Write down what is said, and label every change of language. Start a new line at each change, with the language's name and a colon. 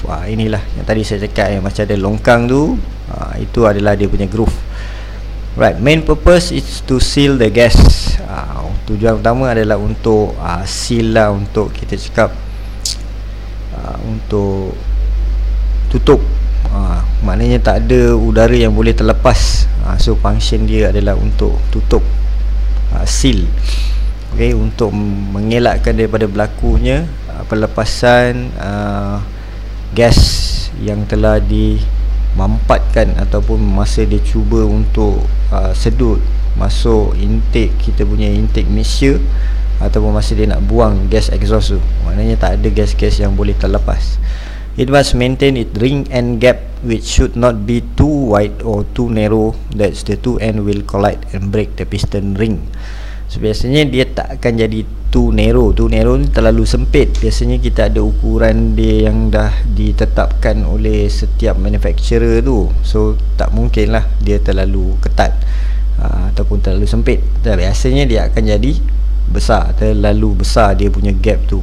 Malay: Inilah yang tadi saya cakap, yang macam ada longkang tu, itu adalah dia punya groove.
English: Right, main purpose is to seal the gas.
Malay: Tujuan utama adalah untuk seal lah, untuk kita cakap untuk tutup. Maknanya tak ada udara yang boleh terlepas. So function dia adalah untuk tutup, seal. Okay, untuk mengelakkan daripada berlakunya pelepasan gas yang telah di mampatkan ataupun masa dia cuba untuk sedut masuk intake, kita punya intake mixture, ataupun masa dia nak buang gas exhaust tu. Maknanya tak ada gas-gas yang boleh terlepas.
English: It must maintain its ring and gap which should not be too wide or too narrow, that the two end will collide and break the piston ring.
Malay: So biasanya dia tak akan jadi too narrow. Too narrow ni terlalu sempit. Biasanya kita ada ukuran dia yang dah ditetapkan oleh setiap manufacturer tu. So tak mungkin lah dia terlalu ketat ataupun terlalu sempit. Biasanya dia akan jadi besar, terlalu besar dia punya gap tu.